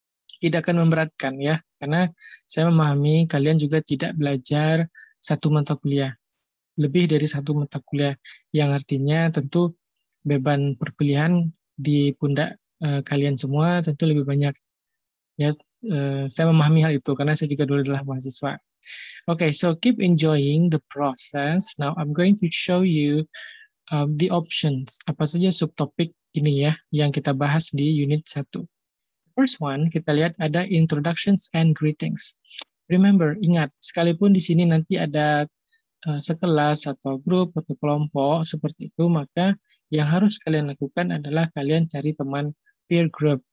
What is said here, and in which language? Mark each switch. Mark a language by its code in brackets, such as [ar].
[id] Tidak akan memberatkan ya, karena saya memahami kalian juga tidak belajar satu mata kuliah, lebih dari satu mata kuliah, yang artinya tentu beban perpilihan di pundak kalian semua tentu lebih banyak. Ya, saya memahami hal itu karena saya juga dulu adalah mahasiswa. [en] Okay, so keep enjoying the process. Now I'm going to show you the options. [id] Apa saja subtopik ini ya yang kita bahas di unit 1. First one, kita lihat ada introductions and greetings. Remember, ingat, sekalipun di sini nanti ada sekelas atau grup atau kelompok seperti itu, maka yang harus kalian lakukan adalah kalian cari teman peer group.